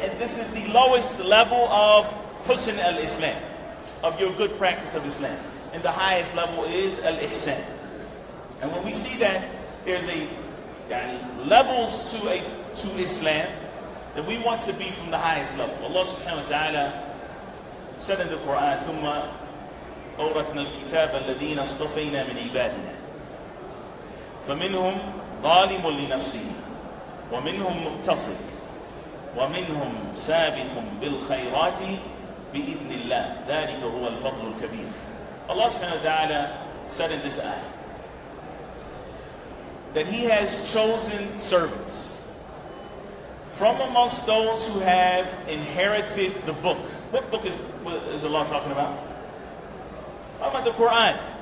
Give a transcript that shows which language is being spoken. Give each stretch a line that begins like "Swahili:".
English: And this is the lowest level of husn al-Islam, of your good practice of Islam. And the highest level is al-Ihsan. And when we see that there's levels to Islam, then we want to be from the highest level. Allah subhanahu wa ta'ala said in the Quran,
Arabic: ثُمَّ أَوْرَثْنَا الْكِتَابَ الَّذِينَ اصْطَفَيْنَا مِنْ عِبَادِنَا فَمِنْهُمْ ظَالِمٌ لِنَفْسِهِ وَمِنْهُمْ مُقْتَصِدْ وَمِنْهُمْ سَابِقٌ بِالْخَيْرَاتِ بِإِذْنِ اللَّهِ ذَلِكَ هُوَ الْفَضْلُ الْكَبِيرُ.
English: Allah subhanahu wa ta'ala said in this ayah that He has chosen servants from amongst those who have inherited the book. What book is Allah talking about? Talking about the Quran.